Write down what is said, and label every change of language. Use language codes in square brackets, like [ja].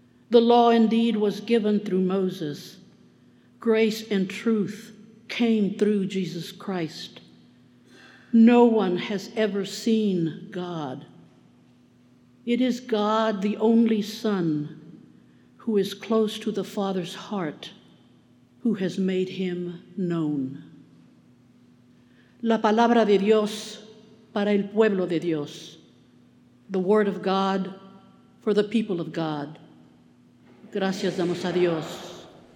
[en] The law indeed was given through Moses. Grace and truth came through Jesus Christ. No one has ever seen God. It is God, the only Son, who is close to the Father's heart, who has made him known." [es] La palabra de Dios para el pueblo de Dios. [en] The word of God for the people of God. [es] Gracias damos a Dios.